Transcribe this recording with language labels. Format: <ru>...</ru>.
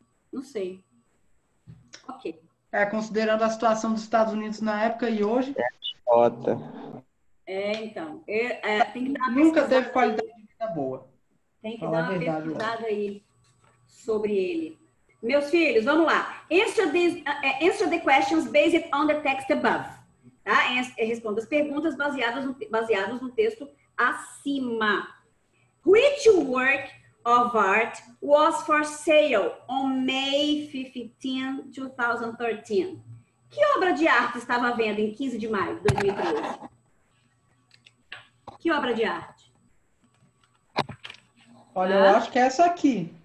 <pt>Não sei. Ok. É, considerando a situação dos Estados Unidos na época e hoje. É, foda. É, então. Tem que dar uma nunca teve qualidade de vida boa. Tem que dar uma pesquisada aí sobre ele. Meus filhos, vamos lá.</pt> <en>Answer the questions based on the text above.</en> <pt>Tá? Responda as perguntas baseadas no texto acima.</pt> <en>Which work of art was for sale on May 15, 2013?</en> <pt>Que obra de arte estava à venda em 15 de maio de 2013? Que obra de arte? Olha, ah, eu acho que é essa aqui.</pt>